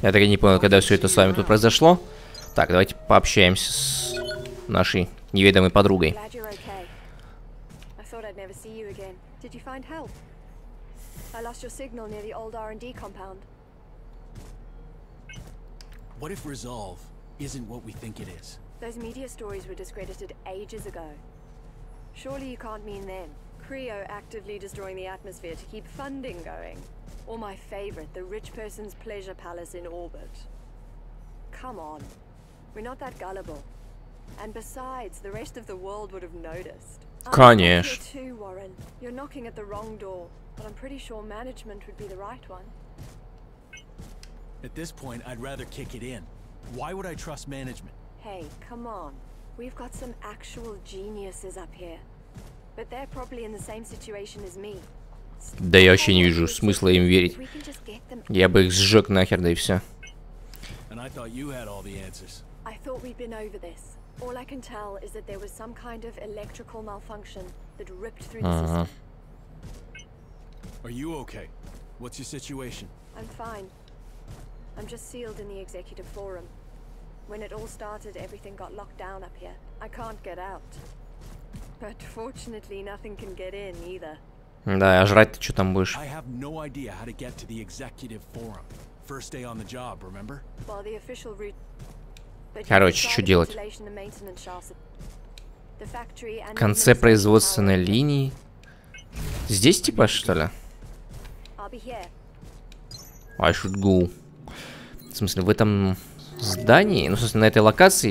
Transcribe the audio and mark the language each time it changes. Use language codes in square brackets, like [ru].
[ru] Я так и не понял, когда все это с вами тут произошло. Так, давайте пообщаемся с нашей неведомой подругой. [en] Glad you're okay. I thought I'd never see you again. Did you find help? I lost your signal near the old R&D compound. What if Resolve isn't what we think it is? Those media stories were discredited ages ago. Surely you can't mean them. Creo actively destroying the atmosphere to keep funding going. Or my favorite, the rich person's pleasure palace in orbit. Come on. We're not that gullible. And besides, the rest of the world would have noticed. [ru] Конечно. [en] Too, Warren. You're knocking at the wrong door, but I'm pretty sure management would be the right one. At this point, I'd rather kick it in. Why would I trust management? Hey, come on. We've got some actual geniuses up here. But they're probably in the same situation as me. [ru] Да я вообще не вижу смысла им верить. Я бы их сжег нахер, да и все. [en] And I thought you had all the answers. I thought we'd been over this. All I can tell is that there was some kind of electrical malfunction that ripped through the system. Are you okay? What's your situation? I'm fine. I'm just sealed in the executive forum. When it all started, everything got locked down up here. I can't get out. But fortunately, nothing can get in either. [ru] Да, а жрать-то что там будешь? [en] I have no idea how to get to the executive forum. First day on the job, remember? Well, the official route. [ru] Короче, что делать? В конце производственной линии. Здесь типа что ли? [en] I'll be here. I should go. [ru] В смысле, в этом здании, ну, собственно, на этой локации.